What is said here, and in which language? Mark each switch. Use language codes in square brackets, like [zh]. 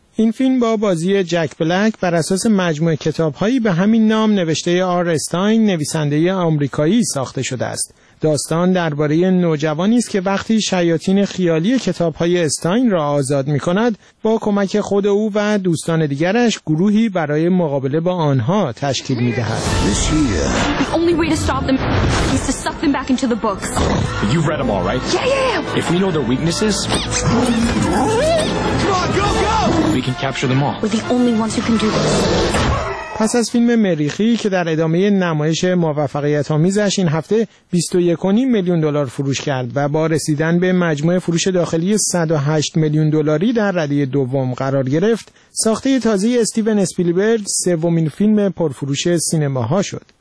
[fa] این فیلم با بازی جک بلک بر اساس مجموعه کتاب‌هایی به همین نام نوشته آر استاین، نویسنده آمریکایی، ساخته شده است. داستان درباره نوجوانی است که وقتی شیاطین خیالی کتاب‌های استاین را آزاد می‌کند، با کمک خود او و دوستان دیگرش گروهی برای مقابله با آنها تشکیل می‌دهد. [en] The only way to stop them is to suck them back into the books. You've read them all, right? Yeah, yeah. If we know their weaknesses, come on, go! We can capture them all. We're the only ones who can do this. [fa] پس از فیلم مریخی که در ادامه نمایش موفقیت آمیزش این هفته 21.5 میلیون دلار فروش کرد و با رسیدن به مجموع فروش داخلی 108 میلیون دلاری در رده دوم قرار گرفت، ساخته تازه استیون اسپیلبرگ سومین فیلم پرفروش سینماها شد.